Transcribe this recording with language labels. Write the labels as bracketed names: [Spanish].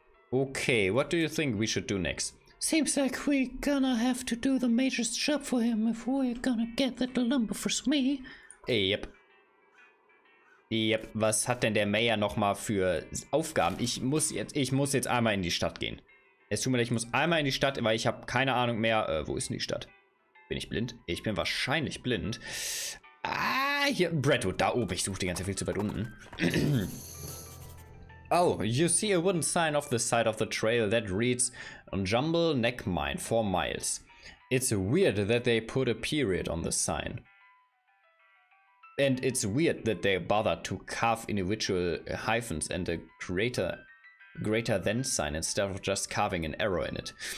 [English] Okay, what do you think we should do next? Seems like we gonna have to do the major's job for him if we're gonna get that lumber for me. Yep. [German] Yep, was hat denn der Mayor nochmal für Aufgaben? Ich muss jetzt einmal in die Stadt gehen. Es tut mir leid, ich muss einmal in die Stadt, weil ich habe keine Ahnung mehr. Wo ist denn die Stadt? Bin ich blind? Ich bin wahrscheinlich blind. Ah, hier, Bradwood, da oben. Ich suche die ganze Zeit viel zu weit unten. [English] Oh, you see a wooden sign off the side of the trail that reads Jumble Neck Mine, 4 miles. It's weird that they put a period on the sign. And it's weird that they bothered to carve individual hyphens and a greater than sign instead of just carving an arrow in it.